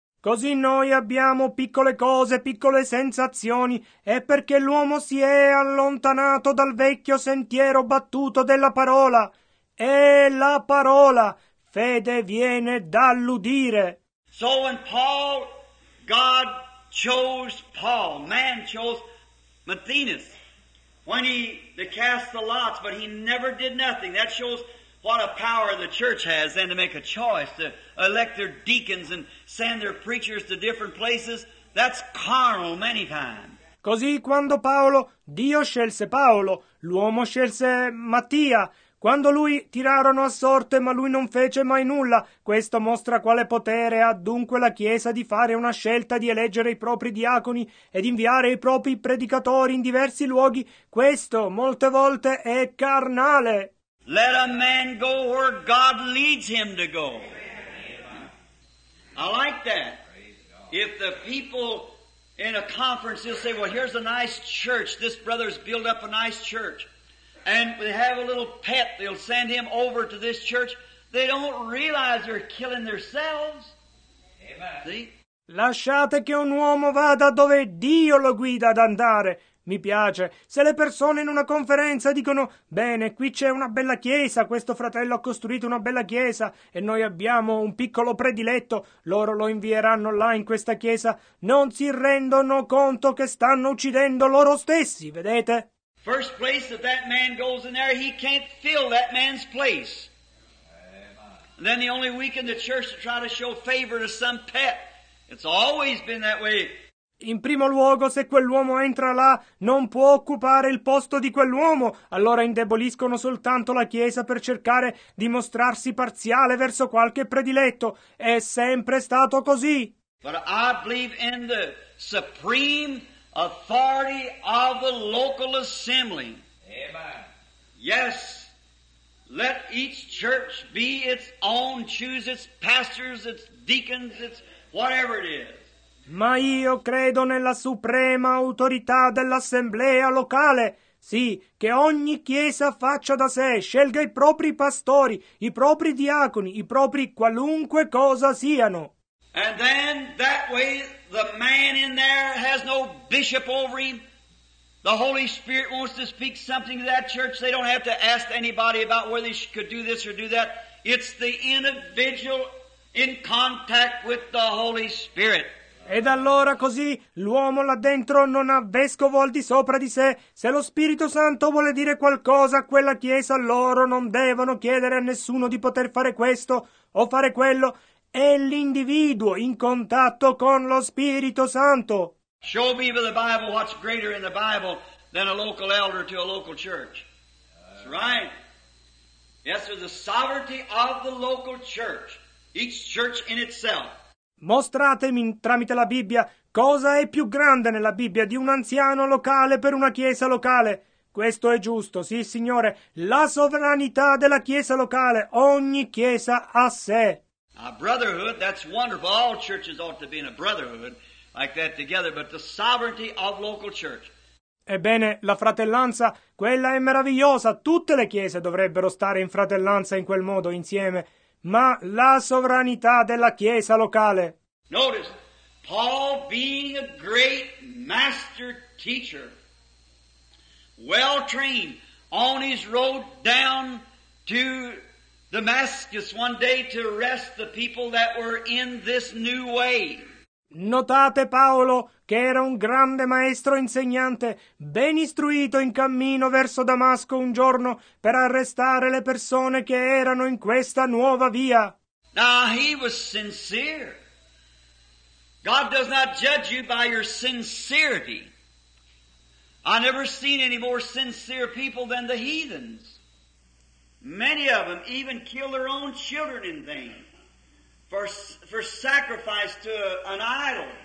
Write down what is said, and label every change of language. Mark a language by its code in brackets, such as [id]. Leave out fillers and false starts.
[it] Così noi abbiamo piccole cose, piccole sensazioni, è perché l'uomo si è allontanato dal vecchio sentiero battuto della parola. E la parola, fede viene dall'udire. [en] So when Paul, God chose Paul, man chose Matthias, when he to cast the lots, but he never did nothing. That shows what a power the church has then to make a choice, to elect their deacons and send their preachers to different places. That's carnal many times. [it] Così quando Paolo, Dio scelse Paolo, l'uomo scelse Mattia. Quando lui tirarono a sorte, ma lui non fece mai nulla. Questo mostra quale potere ha dunque la Chiesa di fare una scelta di eleggere i propri diaconi ed inviare i propri predicatori in diversi luoghi. Questo, molte volte, è carnale. [en] Let a man go where God leads him to go. I like that. If the people in a conference, they'll say, well, here's a nice church. This brother's built up a nice church. And they have a little pet, they'll send him over to this church. They don't realize they're killing themselves. Amen. See? [it] Lasciate che un uomo vada dove Dio lo guida ad andare. Mi piace. Se le persone in una conferenza dicono, bene, qui c'è una bella chiesa, questo fratello ha costruito una bella chiesa e noi abbiamo un piccolo prediletto, loro lo invieranno là in questa chiesa, non si rendono conto che stanno uccidendo loro stessi, vedete? [en] First place that man goes in there, he can't fill that man's place. And then the only weak in the church to try to show favor to some pet. It's always been that way. [it] In primo luogo, se quell'uomo entra là, non può occupare il posto di quell'uomo. Allora indeboliscono soltanto la chiesa per cercare di mostrarsi parziale verso qualche prediletto. È sempre stato così. [en] But I believe in the supreme authority of the local assembly. Amen. Yes, let each church be its own, choose its pastors, its deacons, its whatever it is. [it] Ma io credo nella suprema autorità dell'assemblea locale. Sì, che ogni chiesa faccia da sé, scelga i propri pastori, i propri diaconi, i propri qualunque cosa siano. [en] And then that way the man in there has no bishop over him. The Holy Spirit wants to speak something to that church. They don't have to ask anybody about whether they could do this or do that. It's the individual in contact with the Holy Spirit. [it] Ed allora così l'uomo là dentro non ha vescovo al di sopra di sé. Se lo Spirito Santo vuole dire qualcosa a quella chiesa, loro non devono chiedere a nessuno di poter fare questo o fare quello. È l'individuo in contatto con lo Spirito Santo. [en] Show me by the Bible what's greater in the Bible than a local elder to a local church. right. Yes, sir, the sovereignty of the local church, each church in itself. [it] Mostratemi tramite la Bibbia cosa è più grande nella Bibbia di un anziano locale per una chiesa locale. Questo è giusto, sì signore, la sovranità della chiesa locale, ogni chiesa a sé. [en] A brotherhood, that's wonderful, all churches ought to be in a brotherhood like that together, but the sovereignty of local church. [it] Ebbene, la fratellanza, quella è meravigliosa, tutte le chiese dovrebbero stare in fratellanza in quel modo insieme, ma la sovranità della chiesa locale. [en] Notice, Paul being a great master teacher, well trained, on his road down to Damascus one day to arrest the people that were in this new way. [it] Notate Paolo, che era un grande maestro insegnante, ben istruito in cammino verso Damasco un giorno per arrestare le persone che erano in questa nuova via. [en] Now he was sincere. God does not judge you by your sincerity. I never seen any more sincere people than the heathens. Many of them even kill their own children in vain for sacrifice to an idol.